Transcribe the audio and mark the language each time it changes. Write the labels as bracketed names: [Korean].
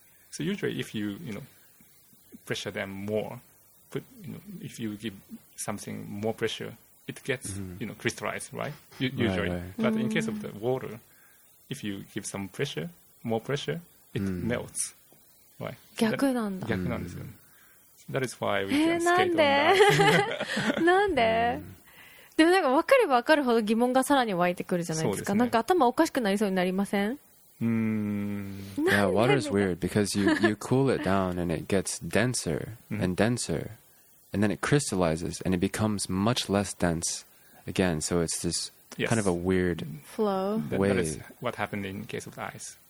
[English] So usually if you, you know, pressure them more, put, you know, if you give something more pressure, it gets, mm-hmm. you know, crystallized, right? Usually. Right, right. But mm. in case of the water, if you give some pressure, more pressure, it mm. melts, right? [Japanese] 逆なんだ。逆なんですよ。 [English] That is why we can skate on that. [Japanese] なんで？なんで？でもなんか分かれば分かるほど疑問がさらに湧いてくるじゃないですか。そうですね。なんか頭おかしくなりそうになりません？ [English] Yeah, water is weird because you cool it down and it gets denser and denser and then it crystallizes and it becomes much less dense again. So it's this yes. kind of a weird flow. Way. That is what happened in case of the ice.